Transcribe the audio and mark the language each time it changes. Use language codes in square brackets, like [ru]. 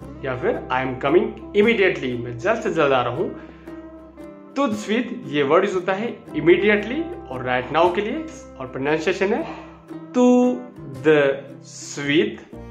[hi] या फिर [en] I'm coming immediately. [hi] मैं जल्द से जल्द आ रहा हूं. [fr] Tout de suite [hi] ये वर्ड होता है immediately और right now के लिए. और pronunciation है [fr] tout de suite.